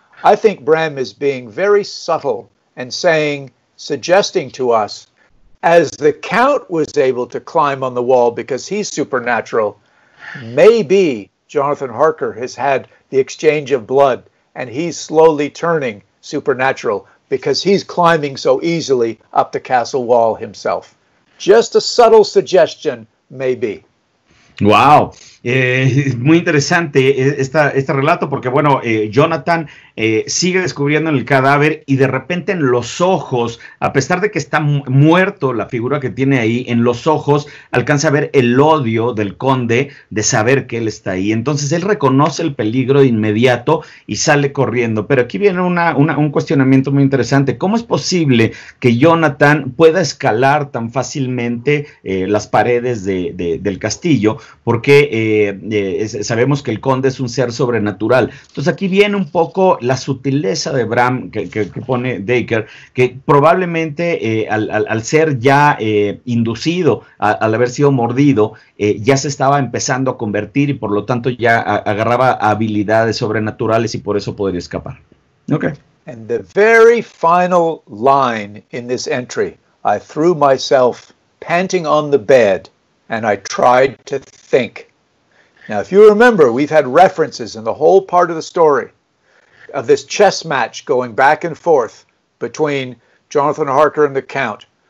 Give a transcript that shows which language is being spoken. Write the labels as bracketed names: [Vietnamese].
[English] I think Bram is being very subtle and suggesting to us, as the count was able to climb on the wall because he's supernatural, maybe Jonathan Harker has had the exchange of blood and he's slowly turning supernatural because he's climbing so easily up the castle wall himself. Just a subtle suggestion, maybe. [Spanish] Wow, muy interesante este relato porque, bueno, Jonathan sigue descubriendo el cadáver y de repente en los ojos, a pesar de que está muerto la figura que tiene ahí, en los ojos alcanza a ver el odio del conde de saber que él está ahí. Entonces él reconoce el peligro de inmediato y sale corriendo. Pero aquí viene un cuestionamiento muy interesante. ¿Cómo es posible que Jonathan pueda escalar tan fácilmente las paredes del castillo? Porque sabemos que el conde es un ser sobrenatural. Entonces aquí viene un poco la sutileza de Bram que pone Dacre, que probablemente al ser ya inducido, al haber sido mordido, ya se estaba empezando a convertir y por lo tanto ya agarraba habilidades sobrenaturales y por eso podría escapar. [English] Okay. And the very final line in this entry, I threw myself panting on the bed and I tried to think. Now, if you remember, we've had references in the whole part of the story of this chess match going back and forth between Jonathan Harker and the Count.